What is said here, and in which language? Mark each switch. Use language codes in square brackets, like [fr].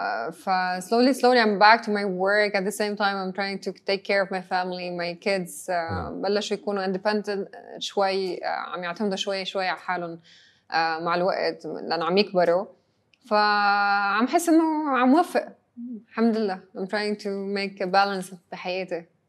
[en] ف slowly slowly I'm back to my work. At the same time I'm trying to take care of my family, my kids. [ar] بلشوا يكونوا independent شوي, عم يعتمدوا شوي شوي على حالهم مع الوقت لانه عم يكبروا. فعم حس انه عم وفق الحمد لله. [en] I'm trying to make a balance [ar] بحياتي.